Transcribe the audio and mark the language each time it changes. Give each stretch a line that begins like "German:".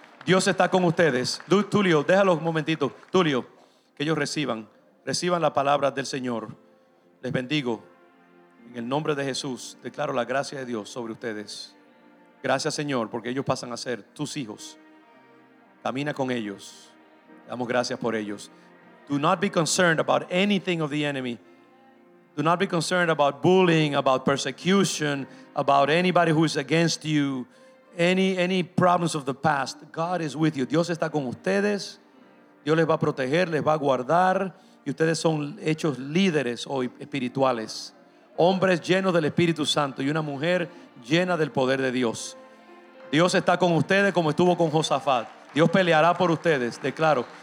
Spanish: Dios está con ustedes. Tulio, déjalo un momentito. Tulio, que ellos reciban. Reciban la palabra del Señor. Les bendigo. En el nombre de Jesús, declaro la gracia de Dios sobre ustedes. Gracias, Señor, porque ellos pasan a ser tus hijos. Camina con ellos. Damos gracias por ellos.
English: Do not be concerned about anything of the enemy. Do not be concerned about bullying, about persecution, about anybody who is against you, any problems of the past. God is with you.
Spanish: Dios está con ustedes. Dios les va a proteger, les va a guardar. Y ustedes son hechos líderes hoy espirituales. Hombres llenos del Espíritu Santo y una mujer llena del poder de Dios. Dios está con ustedes como estuvo con Josafat. Dios peleará por ustedes, declaro.